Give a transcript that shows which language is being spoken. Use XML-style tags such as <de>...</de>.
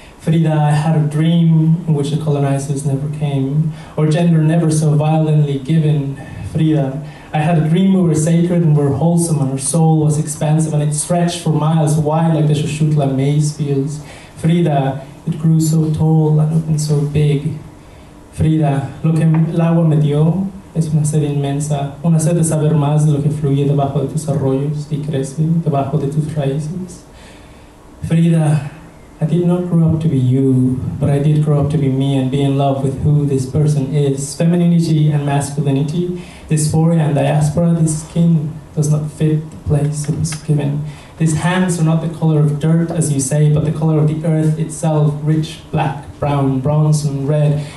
<en>Frida, I had a dream in which the colonizers never came, or gender never so violently given. Frida, I had a dream we were sacred and were wholesome, and our soul was expansive, and it stretched for miles wide like the Xochitl maize fields. Frida, it grew so tall and opened so big.</en> <es>Frida, lo que el agua me dio es una sed inmensa, una sed de saber más de lo que fluye debajo de tus arroyos y crece debajo de tus raíces.</es> <en>Frida, I did not grow up to be you, but I did grow up to be me and be in love with who this person is. Femininity and masculinity, dysphoria and diaspora, this skin does not fit the place it was given. These hands are not the color of dirt, as you say, but the color of the earth itself, rich black, brown, bronze, and red.</en>